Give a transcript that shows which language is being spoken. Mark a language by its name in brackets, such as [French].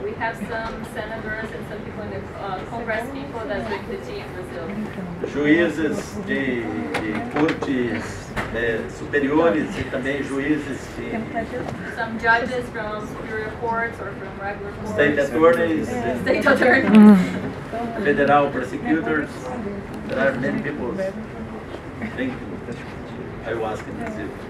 [English] We have some senators and some people in the Congress people that drink the tea in Brazil. [Portuguese] Juízes de cortes superiores e também juízes de... [English] Some judges from superior courts or from regular courts. State attorneys. Yeah. State attorneys. Federal prosecutors. There are many people drinking ayahuasca in Brazil.